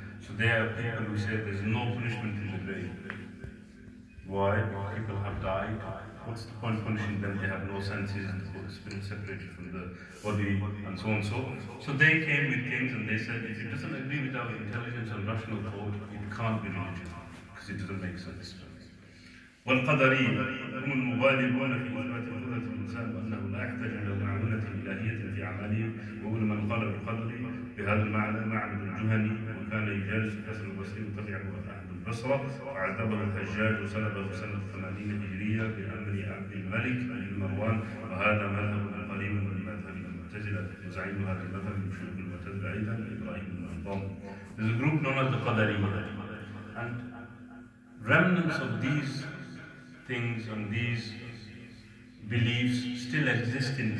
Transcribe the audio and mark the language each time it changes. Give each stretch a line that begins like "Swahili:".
English: So there are people who say there's no punishment in the grave. Why? People have died. What's the point of punishing them? They have no senses, and the spirit separated from the body, and so on and so on. So they came with things and they said, if it doesn't agree with our intelligence and rational thought, it can't be religion, because it doesn't make sense.
Arabic: والقدرين هم المبالغون في إثبات قدرة الإنسان وأنه لا يحتاج إلى معونة إلهية في أعماله، وأول من قال بالقدر بهذا المعنى معبد الجهني، وكان يجالس الحسن البصري وتبعه أهل البصرة، وعذبه الحجاج وسلبه سنة 80 هجرية بأمر عبد الملك بن مروان، وهذا مذهب القريب من المذهب المعتزلة، وزعيم هذا المذهب من شيوخ المعتزلة أيضا إبراهيم بن منظوم.
English: There's a group known as the Qadariyya, and remnants of these things and these beliefs still exist in this.